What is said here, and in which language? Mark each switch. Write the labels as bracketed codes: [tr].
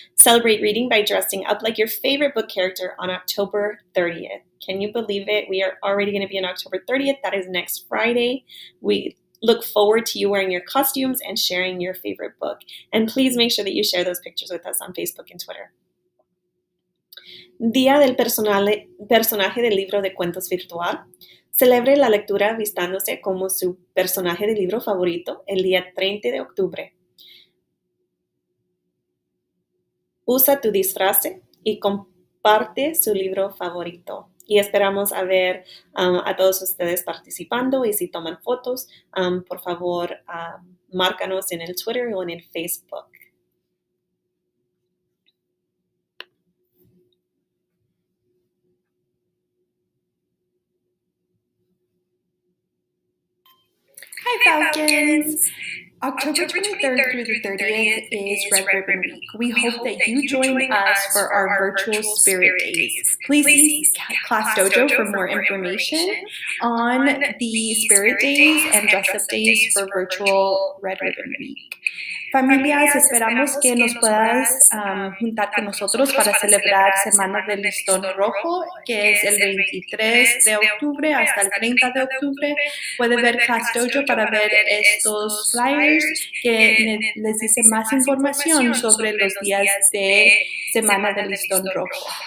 [en] Celebrate reading by dressing up like your favorite book character on October 30th. Can you believe it? We are already going to be on October 30th. That is next Friday. We look forward to you wearing your costumes and sharing your favorite book. And please make sure that you share those pictures with us on Facebook and Twitter. [es] Día del personaje del libro de cuentos virtual. Celebre la lectura vistándose como su personaje de libro favorito el día 30 de octubre. Usa tu disfraz y comparte su libro favorito. Y esperamos a ver a todos ustedes participando. Y si toman fotos, por favor, márcanos en el Twitter o en el Facebook. [en] Hi, Falcons! October 23rd through the 30th is Red Ribbon Week. We hope that you join us for our virtual spirit days. Please see Class Dojo for more information on the spirit days and dress-up days for virtual Red Ribbon Week. [es] Familias, esperamos que nos puedas juntar con nosotros para celebrar Semana del Listón Rojo, que es el 23 de octubre hasta el 30 de octubre. Puede ver Class Dojo para ver estos flyers que les dice más información sobre los días de Semana del Listón Rojo.